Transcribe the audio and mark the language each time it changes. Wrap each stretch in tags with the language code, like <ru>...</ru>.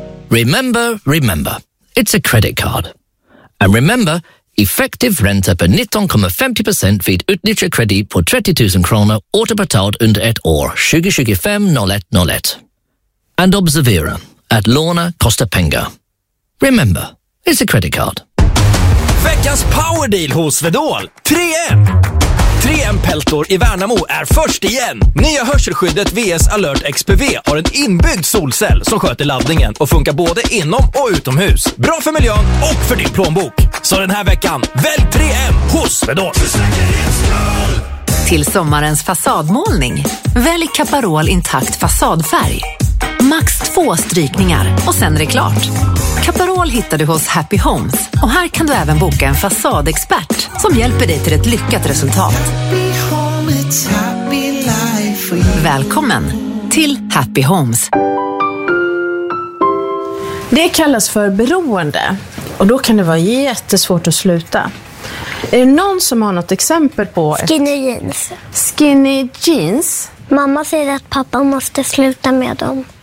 <en>Remember, remember. It's a credit card. And remember,</en> <sv>effective ränta på 19,50% vid utnyttjad kredit på 30 000 kronor återbetalt under ett år, 2025-01-01. And observera att låna kostar pengar.</sv> <en>Remember, it's a credit card.</en> <sv>Veckans power deal hos Swedol. 3M! 3M-peltor i Värnamo är först igen. Nya hörselskyddet VS Alert XPV har en inbyggd solcell som sköter laddningen och funkar både inom och utomhus. Bra för miljön och för din plånbok. Så den här veckan, välj 3M hos Swedol. Till sommarens fasadmålning. Välj Caparol intakt fasadfärg. Max 2 strykningar och sen är det klart. Caparol hittar du hos Happy Homes. Och här kan du även boka en fasadexpert som hjälper dig till ett lyckat resultat.</sv> <en>Happy home, it's happy life.</en> <sv>Välkommen till Happy Homes. Det kallas för beroende. Och då kan det vara jättesvårt att sluta. Är det någon som har något exempel på... Skinny jeans? Mamma säger att pappa måste sluta med dem.</sv>